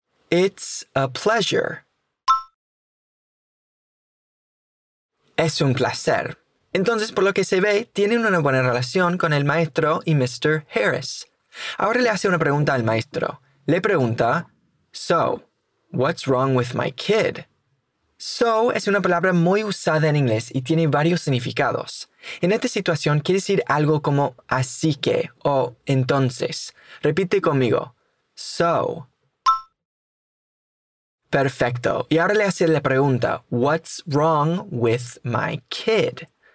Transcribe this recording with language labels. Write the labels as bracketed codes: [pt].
[en] It's a pleasure. [es] Es un placer. Entonces, por lo que se ve, tienen una buena relación con el maestro y Mr. Harris. Ahora le hace una pregunta al maestro. [en] Le pregunta, so, what's wrong with my kid? [es] So es una palabra muy usada en inglés y tiene varios significados. En esta situación quiere decir algo como así que o entonces. Repite conmigo. So. Perfecto. Y ahora le hace la pregunta, what's wrong with my kid?